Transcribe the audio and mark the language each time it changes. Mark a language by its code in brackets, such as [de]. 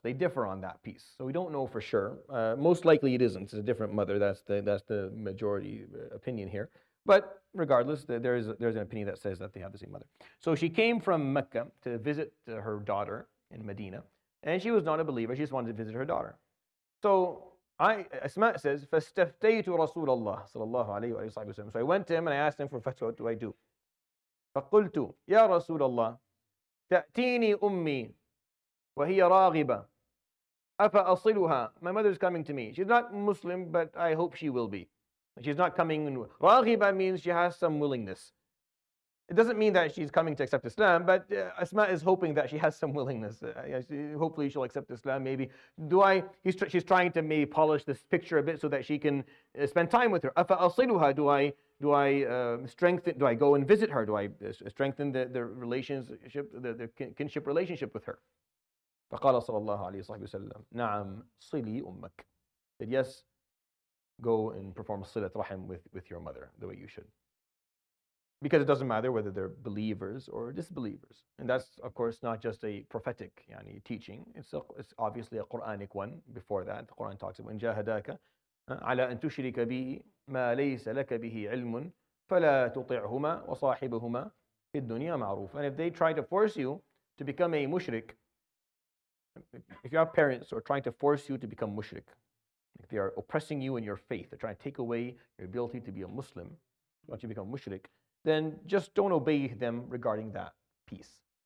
[en] They differ on that piece. So we don't know for sure. Most likely it isn't. It's a different mother. That's the majority opinion here. But regardless, there's an opinion that says that they have the same mother. So she came from Mecca to visit her daughter in Medina, and she was not a believer. She just wanted to visit her daughter. So Asma says, [ar] فَاسْتَفْتَيْتُ رَسُولَ اللَّهِ صَلَى اللَّهُ عَلَيْهِ وَسَلَّمَ. [en] So I went to him and I asked him for fatwa, what do I do? [ar] فَقُلْتُ يَا رَسُولَ اللَّهِ تَأْتِينِي أُمِّي وَهِيَ رَاغِبَةً أَفَأَصِلُهَا. [en] My mother is coming to me. She's not Muslim, but I hope she will be. She's not coming. رَاغِبَة means she has some willingness. It doesn't mean that she's coming to accept Islam, but Asma is hoping that she has some willingness. Hopefully she'll accept Islam, maybe. She's trying to maybe polish this picture a bit so that she can spend time with her. [ar] أَفَأَصِلُهَا. [en] Do I go and visit her? Do I strengthen the relationship, the kinship relationship with her? [ar] فَقَالَ صَلَى اللَّهُ عَلَيْهِ وَسَلَّمْ نَعَمْ صِلِي أُمَّكْ. [en] Said, yes, go and perform صِلَةْ رَحِمْ with your mother the way you should. Because it doesn't matter whether they're believers or disbelievers. And that's, of course, not just a prophetic teaching. It's obviously a Quranic one before that. The Quran talks about, [ar] وَنْجَاهَدَاكَ عَلَىٰ أَن تُشْرِكَ بِهِ مَا لَيْسَ لَكَ بِهِ عِلْمٌ فَلَا تُطِعْهُمَا وَصَاحِبُهُمَا فِي الدُّنْيَا مَعْرُوفٌ. [en] And if they try to force you to become a mushrik, if you have parents who are trying to force you to become mushrik, if they are oppressing you in your faith, they're trying to take away your ability to be a Muslim, once you become mushrik, then just don't obey them regarding that piece.